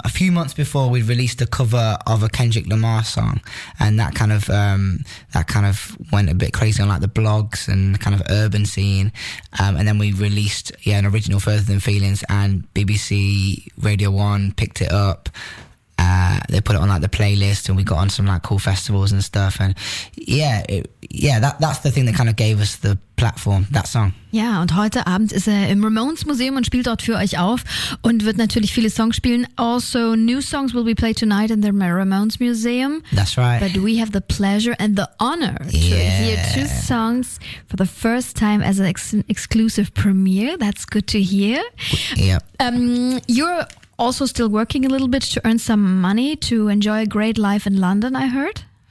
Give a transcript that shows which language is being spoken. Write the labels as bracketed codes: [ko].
[en] A few months before we'd released a cover of a Kendrick Lamar song, and that kind of went a bit crazy on like the blogs and the kind of urban scene. And then we released an original Further Than Feelings, and BBC Radio 1 picked it up. They put it on like the playlist, and we got on some like cool festivals and stuff. And that's the thing that kind of gave us the platform, that song. [de] Ja, und heute Abend ist er im Ramones Museum und spielt dort für euch auf und wird natürlich viele Songs spielen. [en] Also, new songs will be played tonight in the Ramones Museum. That's right. But we have the pleasure and the honor to hear two songs for the first time as an exclusive premiere. That's good to hear. Yeah. You're also still working a little bit to earn some money to enjoy a great life in London, I heard.